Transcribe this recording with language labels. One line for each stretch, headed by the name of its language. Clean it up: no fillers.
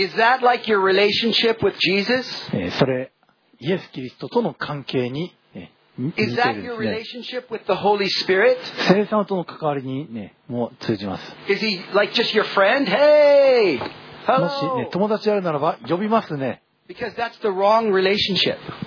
English: Is that like your relationship with Jesus?
Japanese: それイエス・キリストとの関係に、ね、似てるんですね。
English: Is that your relationship with the Holy Spirit?
Japanese: 聖霊様との関わりにねもう通じます。
English: Is he like just your friend? Hey.
Japanese: もし、ね、友達であるならば呼びますね。
English: Because that's the wrong relationship.